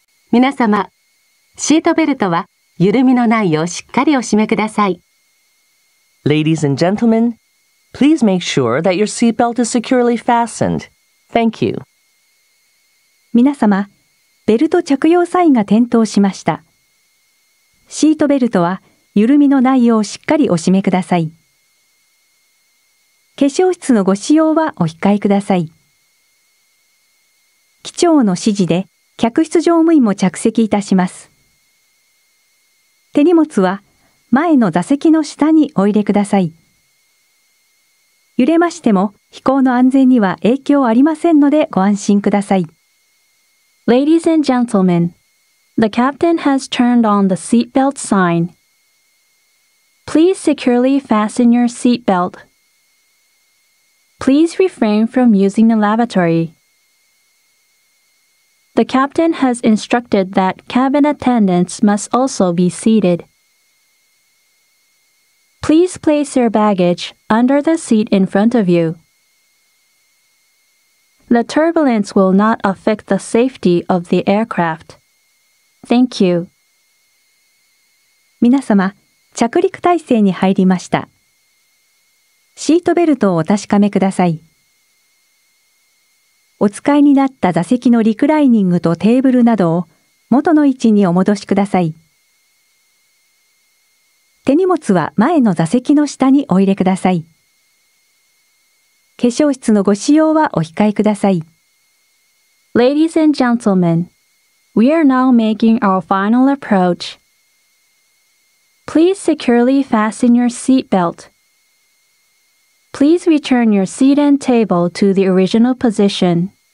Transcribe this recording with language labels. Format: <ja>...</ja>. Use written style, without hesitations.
<ja>皆様、シートベルトは緩みのないようしっかりお締めください。</ja> <en>Ladies and gentlemen, please make sure that your seatbelt is securely fastened. Thank you.</en> <ja>皆様、ベルト着用サインが点灯しました。シートベルトは緩みのないようしっかりお締めください。化粧室のご使用はお控えください。機長の指示で客室乗務員も着席いたします。手荷物は前の座席の下にお入れください。揺れましても飛行の安全には影響ありませんのでご安心ください。</ja> <en>Ladies and gentlemen, the captain has turned on the seatbelt sign. Please securely fasten your seatbelt. Please refrain from using the lavatory. The captain has instructed that cabin attendants must also be seated. Please place your baggage under the seat in front of you. The turbulence will not affect the safety of the aircraft. Thank you.</en> <ja>皆様、着陸態勢に入りました。シートベルトをお確かめください。お使いになった座席のリクライニングとテーブルなどを元の位置にお戻しください。手荷物は前の座席の下にお入れください。化粧室のご使用はお控えください。</ja> <en>Ladies and gentlemen, we are now making our final approach. Please securely fasten your seat belt. Please return your seat and table to the original position.</en>